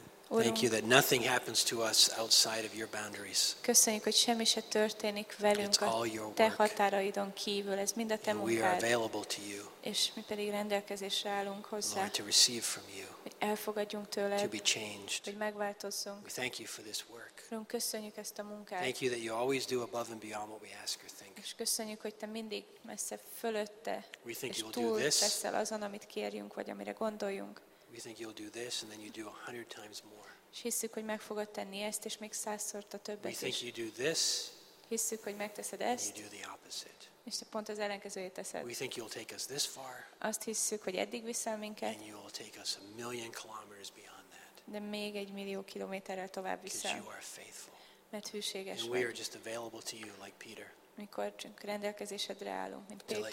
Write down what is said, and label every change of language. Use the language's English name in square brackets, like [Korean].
[English] Thank you that nothing happens to us outside of your boundaries. [Hungarian] Köszönjük, hogy semmi se történik velünk a te határaidon kívül. Ez mind a te munkád. [English] We are available to you. [Hungarian] És mi pedig rendelkezésre állunk hozzá. [English] Lord, to receive from you. [Hungarian] Hogy elfogadjunk tőled. [English] To be changed. [Hungarian] Hogy megváltozzunk. [English] We thank you for this work. [Hungarian] Urunk, köszönjük ezt a munkát. [English] Thank you that you always do above and beyond what we ask or think. [Hungarian] És köszönjük, hogy te mindig messze fölötte és túl teszel azon, amit kérjünk vagy amire gondoljunk. [English] We think you'll do this and then you do 100 times more. [Hungarian] Hisszük, hogy meg fogod tenni ezt és még 100-szor többet is. [English] We think you do this. [Hungarian] Hisszük, hogy megteszed ezt. [English] And you do the opposite. [Hungarian] És te pont az ellenkezőjét teszed. [English] We think you'll take us this far. [Hungarian] Azt hisszük, hogy eddig viszel minket. [English] And you'll take us a million kilometers beyond that. [Hungarian] De még 1 millió kilométerrel tovább viszel. [English] Because you are faithful. [Hungarian] Mert hűséges vagy. [English] We are just available to you like Peter. [Hungarian] Mikor csak rendelkezésedre állunk, mint Péter.